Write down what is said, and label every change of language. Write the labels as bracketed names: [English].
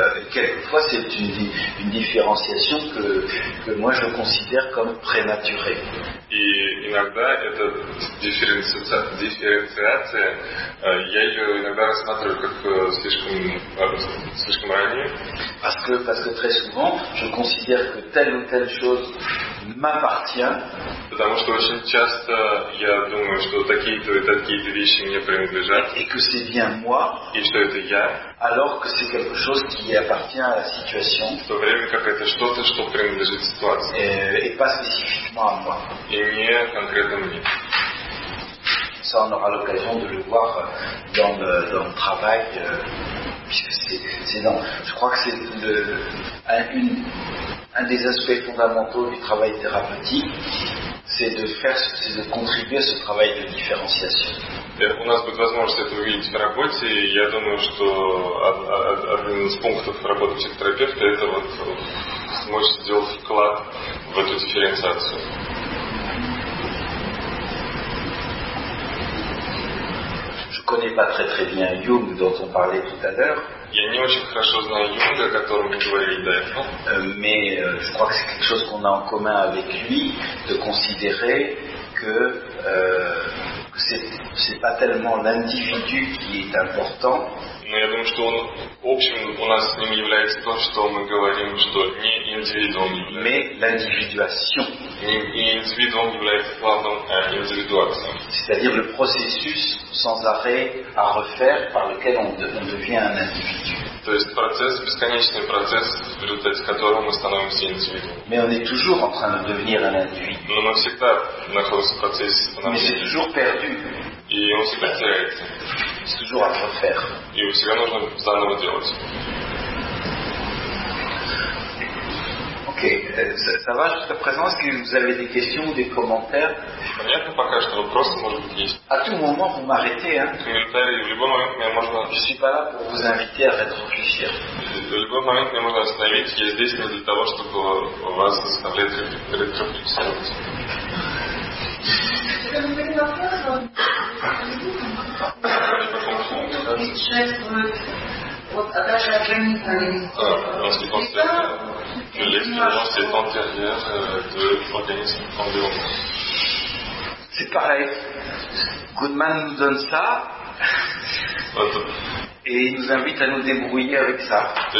[French] Quelquefois, c'est une différenciation que moi je considère comme prématurée. [Russian] И иногда эта дифференциация, я ее иногда рассматриваю как слишком раннюю. [French] Parce que très souvent, je considère que telle ou telle chose m'appartient. [Russian] Потому что очень часто я думаю, что такие-то и такие-то вещи мне принадлежат. [French] Et que c'est bien moi. [Russian] И что это я. [French] Alors que c'est quelque chose qui appartient à la situation. [Russian] В то время как это что-то, что принадлежит ситуации. [French] Et pas spécifiquement à moi. [Russian] И не конкретно мне. [French] Ça, on aura l'occasion de le voir dans le travail. Je crois que c'est un des aspects fondamentaux du travail thérapeutique, c'est de contribuer à ce travail de différenciation. [Russian] У нас будет возможность это увидеть в работе, и я думаю, что один из пунктов работы психотерапевта это вот сможет сделать вклад в эту дифференциацию. [French] Je ne connais pas très très bien Jung dont on parlait tout à l'heure. [Russian] Я не очень хорошо знаю Юнга, о котором мы говорили до этого. [French] Mais je crois que c'est quelque chose qu'on a en commun avec lui, de considérer que c'est pas tellement l'individu qui est important. [Russian] Но я думаю, что он, в общем, у нас с ним является то, что мы говорим, что не индивидуум. [French] Mais l'individuation. [Russian] Не индивидуум является главным, а индивидуация. [French] C'est-à-dire le processus sans arrêt à refaire par lequel on devient un individu. [Russian] То есть процесс, бесконечный процесс, в результате которого мы становимся индивидуумом. [French] Mais on est toujours en train de devenir un individu. [Russian] Но мы всегда находимся в процессе становления. [French] Mais c'est toujours perdu. [Russian] И он всегда теряется. [French] C'est toujours à refaire. [Russian] И всегда нужно заново делать. [French] Окей, ça va jusqu'à présent? Est-ce que vous avez des questions ou des commentaires? [Russian] Понятно пока, что вопросы, может быть, есть. [French] À tout moment, vous m'arrêtez, hein? [Russian] Комментарии, в любой момент меня можно... [French] Je suis pas là pour vous inviter à réfléchir. [Russian] В любой момент меня можно остановить. Я здесь не для того, чтобы вас заставлять рефлексировать. [French] C'est pareil. Goodman nous donne ça et il nous invite à nous débrouiller avec ça.